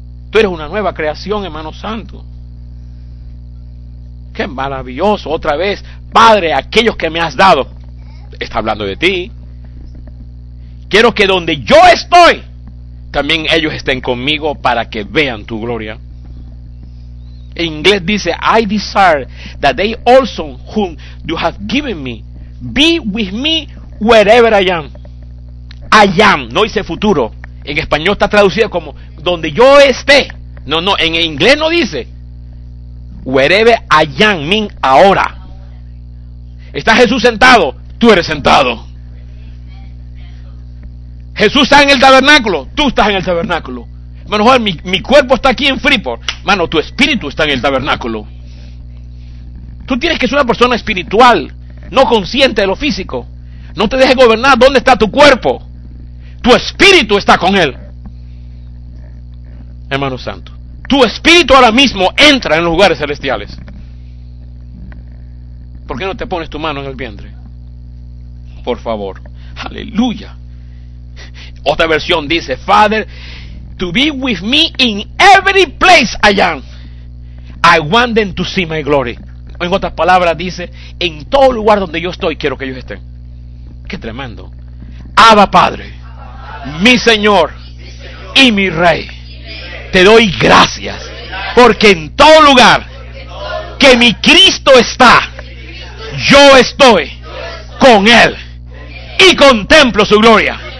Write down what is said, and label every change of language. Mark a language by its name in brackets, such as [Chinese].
[Spanish] Tú eres una nueva creación, hermano santo. ¡Qué maravilloso! Otra vez, Padre, aquellos que me has dado, está hablando de ti. Quiero que donde yo estoy, también ellos estén conmigo para que vean tu gloria. En inglés dice, [English] I desire that they also whom you have given me, be with me wherever I am. I am, [Spanish] no dice futuro. En español está traducido como, donde yo esté. No, no, en inglés no dice. [English] Wherever I am, mean [Spanish] ahora. ¿Está Jesús sentado? Tú eres sentado. Jesús está en el tabernáculo, tú estás en el tabernáculo. Hermano Juan, mi cuerpo está aquí en Freeport. Mano, tu espíritu está en el tabernáculo. Tú tienes que ser una persona espiritual, no consciente de lo físico. No te dejes gobernar. ¿Dónde está tu cuerpo? Tu espíritu está con él. Hermano Santo, tu espíritu ahora mismo entra en los lugares celestiales. ¿Por qué no te pones tu mano en el vientre? Por favor. Aleluya. Otra versión dice, [English] Father, to be with me in every place I am, I want them to see my glory. [Spanish] En otras palabras dice, en todo lugar donde yo estoy, quiero que ellos estén. Qué tremendo. Abba Padre, mi Señor y mi Rey, te doy gracias, porque en todo lugar que mi Cristo está, yo estoy con Él y contemplo su gloria.